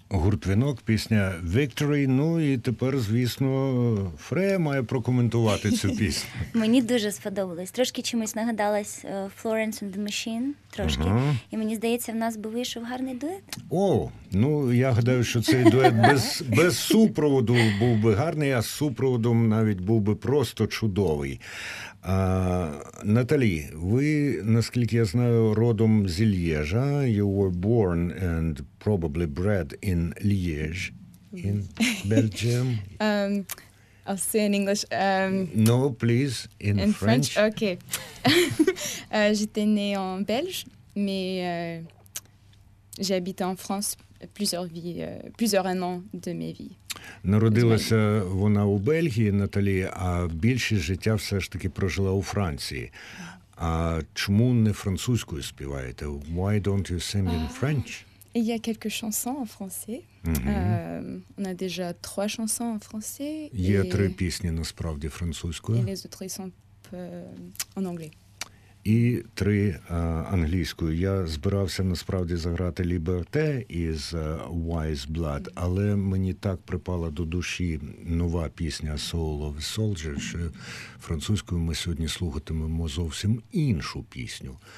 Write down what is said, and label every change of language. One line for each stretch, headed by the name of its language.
Ukrainian: тут «Вінок», пісня «Victory». Ну і тепер, звісно, Фрея має прокоментувати цю пісню. Мені дуже сподобалось. Трошки чимось нагадалась «Florence and the Machine». Трошки. Угу. І мені здається, в нас би вийшов гарний дует. О, ну я гадаю, що цей дует без супроводу був би гарний, а з супроводом навіть був би просто чудовий. А, Наталі, ви, наскільки я знаю, родом з Л'єжа.
English: You were born and probably bred in Liège, in Belgium. I'll say in English. No, please, in French. In French, okay.
French: J'étais née en Belge, mais j'ai habité en France plusieurs années de mes vies.
Ukrainian: Народилася вона у Бельгії, Наталі, а більшість життя все ж таки прожила у Франції. А чому не французькою співаєте?
English: Why don't you sing in French?
French: Il y a quelques chansons en français. On a déjà trois chansons en français.
Ukrainian: Є три пісні насправді французькою.
French: Et les autres sont en anglais.
Ukrainian: І три англійською. Я збирався насправді заграти «Liberté» із «Wise Blood», але мені так припала до душі нова пісня «Soul of a Soldier», що французькою ми сьогодні слухатимемо зовсім іншу пісню.